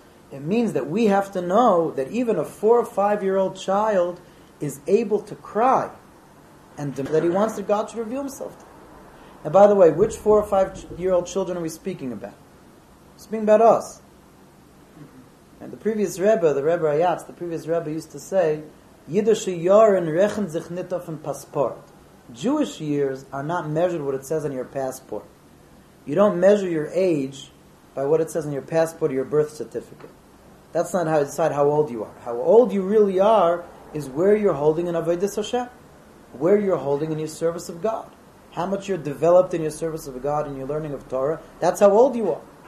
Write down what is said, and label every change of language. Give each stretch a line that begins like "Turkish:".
English: It means that we have to know that even a 4 or 5 year old child is able to cry and that he wants that God should reveal himself to him. And by the way, which 4 or 5 year old children are we speaking about? We're speaking about us. And the previous Rebbe used to say,
Yiddish: Yiddish yaren rechen sich nit auf ein Passport.
English: Jewish years are not measured what it says on your passport. You don't measure your age by what it says on your passport or your birth certificate. That's not how you decide how old you are. How old you really are is where you're holding in Avodas Hashem, where you're holding in your service of God, how much you're developed in your service of God and your learning of Torah. That's how old you are.